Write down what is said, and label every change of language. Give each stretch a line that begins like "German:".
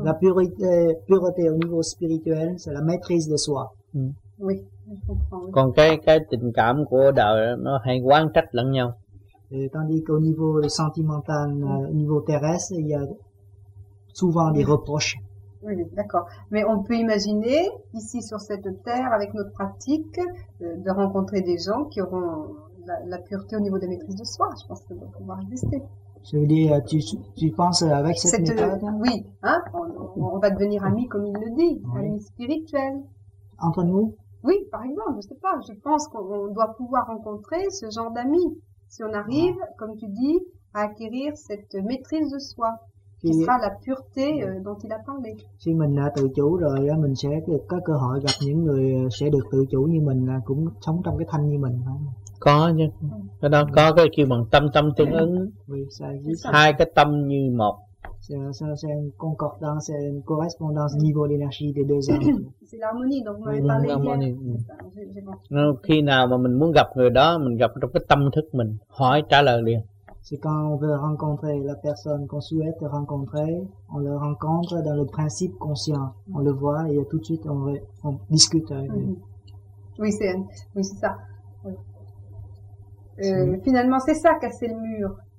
French: La pureté au niveau spirituel, c'est la maîtrise de soi. Oui, je comprends.
Vietnamese: Còn cái tình cảm của đời nó hay quán trách lẫn nhau.
French: Tandis qu'au niveau sentimental, niveau terrestre, il y a souvent des reproches. Oui, d'accord. Mais on peut imaginer, ici sur cette terre, avec notre pratique, de rencontrer des gens qui auront la pureté au niveau de maîtrise de soi. Je pense que ça va pouvoir exister. Je veux dire, tu penses avec cette méthode Oui, hein, on va devenir amis comme il le dit, oui. Amis spirituels. Entre nous? Oui, par exemple, je ne sais pas. Je pense qu'on doit pouvoir rencontrer ce genre d'amis. Si on arrive, comme tu dis, à acquérir cette maîtrise de soi, qui sera la pureté dont il a parlé.
Vietnamese: Si mình là tự chủ rồi, mình sẽ có cơ hội gặp những người sẽ được tự chủ như mình, cũng sống trong cái thanh như mình. Có chứ. Cái đó có cái kêu bằng tâm tâm tương ứng. Hai cái tâm như một.
French: C'est une concordance, c'est une correspondance niveau d'énergie des deux âmes. C'est l'harmonie dont vous m'avez parlé hier. Oui.
Vietnamese: Khi nào mà mình muốn gặp người đó, mình gặp trong cái tâm thức mình, hỏi trả lời liền.
French: C'est quand on veut rencontrer la personne qu'on souhaite rencontrer, on le rencontre dans le principe conscient. On le voit et tout de suite on discute avec lui. Oui, c'est ça. Finalement, c'est ça, casser le mur.